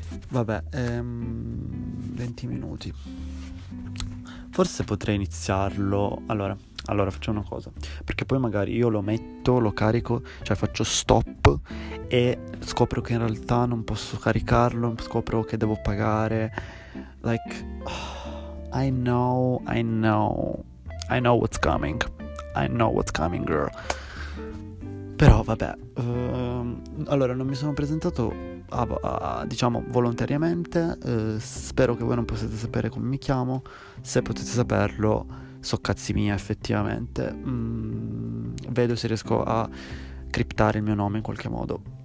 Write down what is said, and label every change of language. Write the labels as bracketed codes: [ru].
[it] Vabbè, 20 minuti. Forse potrei iniziarlo. Allora facciamo una cosa, perché poi magari io lo metto, lo carico, cioè faccio stop e scopro che in realtà non posso caricarlo, scopro che devo pagare. [en] Like, oh, I know what's coming, girl. [it] Però vabbè, allora non mi sono presentato diciamo volontariamente, spero che voi non possiate sapere come mi chiamo, se potete saperlo so cazzi mia effettivamente. Vedo se riesco a criptare il mio nome in qualche modo.